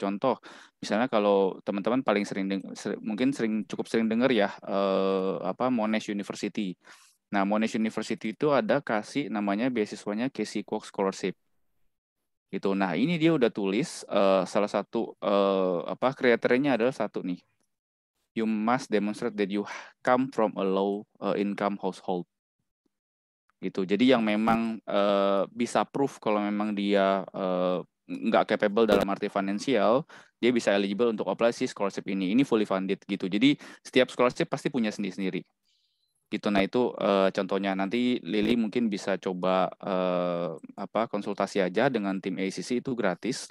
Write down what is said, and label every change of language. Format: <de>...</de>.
<id>Contoh misalnya kalau teman-teman paling sering sering dengar ya Monash University. Nah, Monash University itu ada kasih namanya beasiswanya Casey Quark Scholarship. Gitu. Nah, ini dia udah tulis salah satu kriterianya adalah satu nih.</id> <en>You must demonstrate that you come from a low income household.</en> <id>Gitu. Jadi yang memang bisa proof kalau memang dia nggak capable dalam arti financial, dia bisa eligible untuk apply si scholarship ini. Ini fully funded gitu. Jadi setiap scholarship pasti punya sendiri-sendiri. Gitu. Nah itu contohnya. Nanti Lili mungkin bisa coba konsultasi aja dengan tim ACC, itu gratis.</id>